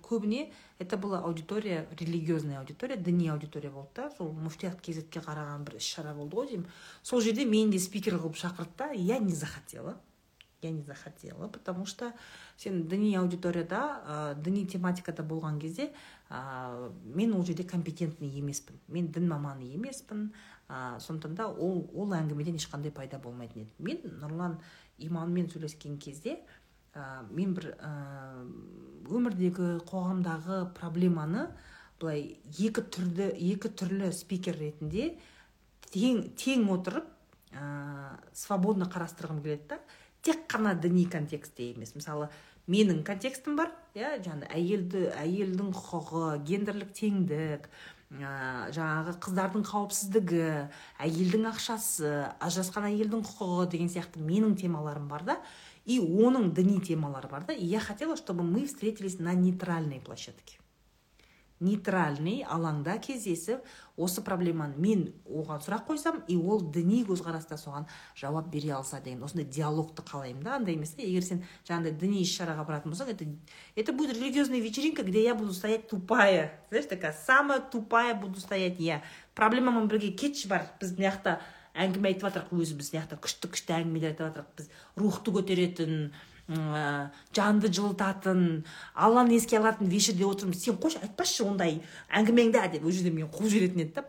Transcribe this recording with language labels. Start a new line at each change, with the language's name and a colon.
Kazakh: Көбіне
Russian: это была аудитория, религиозная аудитория,
Kazakh: діни аудитория болды да. Сол муфтият кезетке қараған бір іс-шара болды ғой деймін. Сол жерде мен де спикер қылып шақырды да,
Russian: я не захотела. Я не захотела, потому что
Kazakh: сен діни аудиторияда, діни тематикада болған кезде, мен ол жерде
Russian: компетентный
Kazakh: емеспін. Мен дін маманы емеспін. Сондықтан да ол әңгімеден ешқандай пайда болмайтын еді. Мен Нұрлан Иманмен сөйлескен кезде, мен бір өмірдегі қоғамдағы проблеманы былай екі түрлі спикер ретінде тең отырып свободно қарастырғым келеді да. Тек қана діни контексте емес. Мысалы, менің контекстім бар, әйелдің құқығы, гендерлік теңдік, жаңағы қыздардың қауіпсіздігі, әйелдің ақшасы, ажырасқан әйелдің құқығы деген сияқты менің темаларым бар да, и оның діни темалары бар да.
Russian: И я хотела, чтобы мы встретились на нейтральной площадке.
Kazakh: Нейтральный алаңда кездесіп, осы проблеманы мен оған сұрақ қойсам, и ол діни көзқараста соған жауап бере алса деген, осындай диалогты қалаймын да, андай емес. Егер сен жаңағыдай діни іс-шараға баратын болсаң,
Russian: это будет религиозная вечеринка, где я буду стоять тупая. Знаешь, такая самая тупая буду стоять я.
Kazakh: Проблемамен бірге кетші бар, біз мына жақта әңгіме айтып отырық, өзі біз мына жақта күшті-күшті әңгімелер айтып отырық, біз рухты көтеретін, жанды жылытатын, Алланы еске алатын вечерде отырмыз. Сен қойшы, айтпашы ондай әңгімеңді, деп ол жерде мен қуып жіберетін еді да.